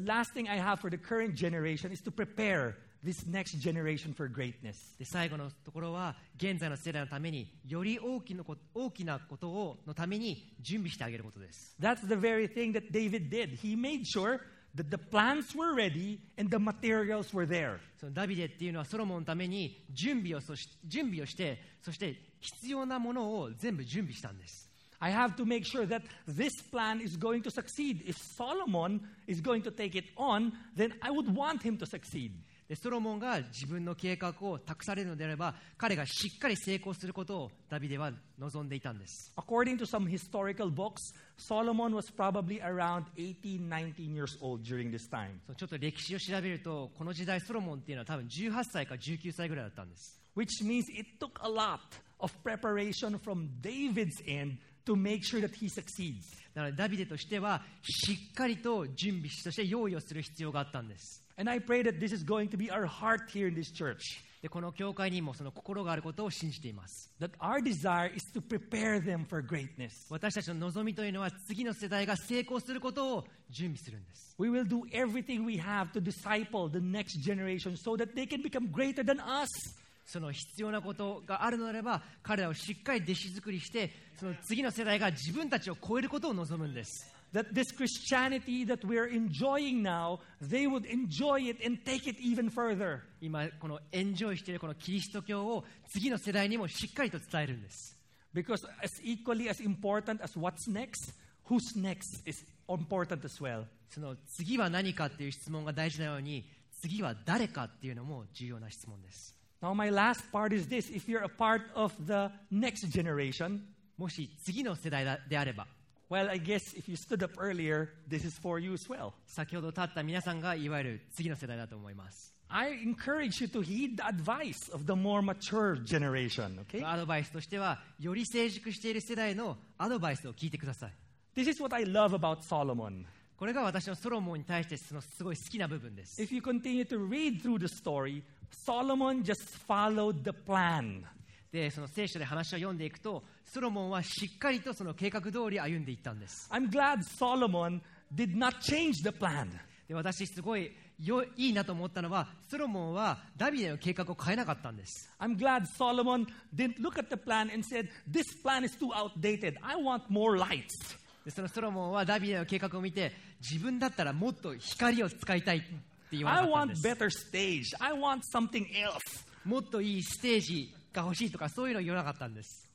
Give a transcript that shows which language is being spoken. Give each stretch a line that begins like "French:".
English: The last thing I have for the current generation is to prepare this next generation for greatness.
Japanese: で最後のところは現在の世代のためにより大きなことをのために準備してあげることです。
English: That's the very thing that David did. He made sure that the plans were ready and the materials were there.
Japanese: そのダビデっていうのはソロモンのために準備をして、そして必要なものを全部準備したんです。
English: I have to make sure that this plan is going to succeed. If Solomon is going to take it on, then I would want him to succeed.
Japanese: でソロモンが自分の計画を託されるのであれば、彼がしっかり成功することをダビデは望んでいたんです。
English: According to some historical books, Solomon was probably around 18, 19 years old during this time.
Japanese: ちょっと歴史を調べると、この時代ソロモンっていうのは多分18歳か19歳ぐらいだったんです。
English: Which means it took a lot. Of preparation from David's end to make sure that he succeeds.
Japanese: だからダビデとしてはしっかりと準備として用意をする必要があったんです。
English: And I pray that this is going to be our heart here in this church.
Japanese: で、この教会にもその心があることを信じています。
English: That our desire is to prepare them for greatness.
Japanese: 私たちの望みというのは次の世代が成功することを準備するんです。
English: We will do everything we have to disciple the next generation so that they can become greater than us.
Japanese: その必要なことがあるのであれば彼らをしっかり弟子作りしてその次の世代が自分たちを超えることを望むんです。
English: That this Christianity that we are enjoying now, they would enjoy it and take it even further.
Japanese: 今このエンジョイしているこのキリスト教を次の世代にもしっかりと伝えるんです。
English: Because as equally as important as what's next, who's next is important as well.
Japanese: その次は何かっていう質問が大事なように次は誰かっていうのも重要な質問です。
English: Now my last part is this: If you're a part of the next generation,
Japanese: もし次の世代であれば、
English: well, I guess if you stood up earlier, this is for you as well.
Japanese: 先ほど立った皆さんがいわゆる次の世代だと思います。
English: I encourage you to heed the advice of the more mature generation. Okay?
Japanese: アドバイスとしては、より成熟している世代のアドバイスを聞いてください。
English: This is what I love about Solomon.
Japanese: これが私のソロモンに対してそのすごい好きな部分です。
English: If you continue to read through the story, Solomon just followed the plan.
Japanese: で、その聖書で話を読んでいくと、ソロモンはしっかりとその計画通り歩んでいったんです。
English: I'm glad Solomon did not change the plan.
Japanese: で、私すごいいいなと思ったのは、ソロモンはダビデの計画を変えなかったんです。
English: I'm glad Solomon didn't look at the plan and said, "This plan is too outdated. I want more lights."
Japanese: でそのソロモンはダビデの計画を見て自分だったらもっと光を使いたいって言わなかったんです。
English: I want better stage. I want something else.
Japanese: もっといいステージが欲しいとかそういうの言わなかったんです。